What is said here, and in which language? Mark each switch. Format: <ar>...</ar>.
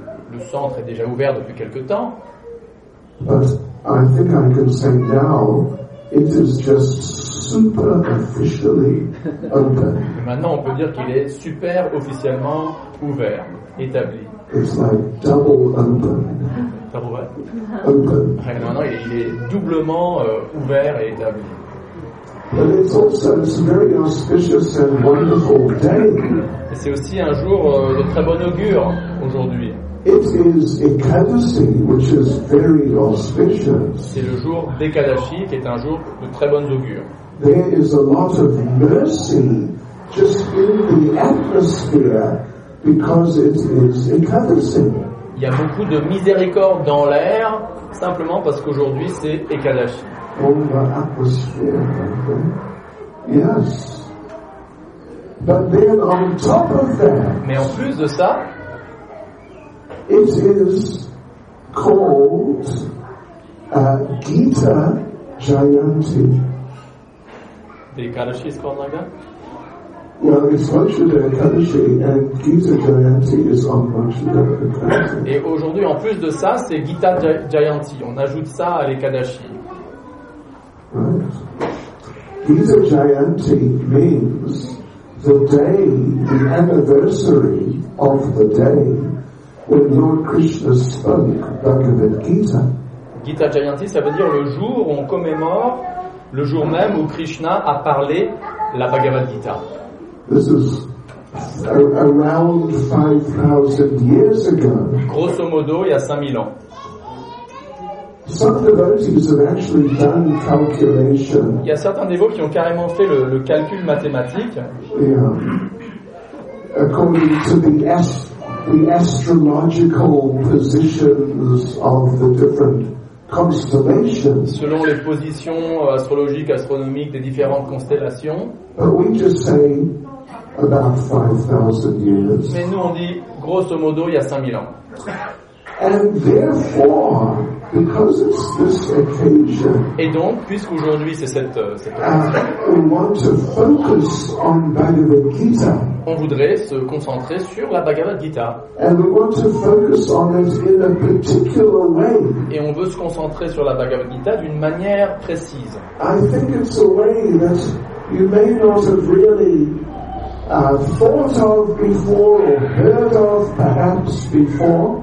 <fr>Le centre est déjà ouvert depuis quelque temps.</fr> <en>But I think I can say now it is just super officially open.</en> <fr>Et maintenant, on peut dire qu'il est super officiellement ouvert, établi.</fr> <en>It's like double open.</en> <fr>Ça vous va?</fr> <en>Open.</en> <fr>Et maintenant, il est doublement ouvert et établi.</fr> <en>But it's also it's very auspicious and wonderful day.</en> <fr>Et c'est aussi un jour de très bon augure aujourd'hui.</fr> <en>It is Ekadashi, which is very auspicious.</en> <fr>C'est le jour d'Ekadashi, qui est un jour de très bonne augure.</fr> <en>There is a lot of mercy just in the atmosphere because it is Ekadashi.</en> <fr>Il y a beaucoup de miséricorde dans l'air simplement parce qu'aujourd'hui c'est Ekadashi.</fr> <en>All the atmosphere, okay. Yes. But then on top of that,</en> <fr>mais en plus de ça,</fr> <en>it is called Gita Jayanti. The Ekadashi is called like that? Well, it's Vajradeva Ekadashi, and Gita Jayanti is on Vajradeva Ekadashi.</en> <fr>Et aujourd'hui, en plus de ça, c'est Gita Jayanti. On ajoute ça à l'Ekadashi.</fr> <en>Right. Gita Jayanti means the day, the anniversary of the day when Lord Krishna spoke Bhagavad Gita.</en> <fr>Gita Jayanti, ça veut dire le jour où on commémore le jour même où Krishna a parlé la Bhagavad Gita.</fr> <en>This is around 5,000 years ago.</en> <fr>Grosso modo, il y a 5,000 ans.</fr> <en>Some devotees have actually done calculation.</en> <fr>Il y a certains dévots qui ont carrément fait le calcul mathématique.</fr> <en>Yeah. According to the astrological positions of the different constellations.</en> <fr>Selon les positions astrologiques, astronomiques des différentes constellations.</fr> <en>But we just say about 5,000 years.</en> <fr>Mais nous on dit grosso modo il y a 5,000 ans.</fr> <en>And therefore, because it's this occasion,</en> <fr>et donc, puisqu'aujourd'hui c'est cette</fr> <en>we want to focus on Bhagavad Gita.</en> <fr>On voudrait se concentrer sur la Bhagavad Gita.</fr> <en>And we want to focus on it in a particular way.</en> <fr>Et on veut se concentrer sur la Bhagavad Gita d'une manière précise.</fr> <en>I think it's a way that you may not have really thought of before or heard of perhaps before.</en>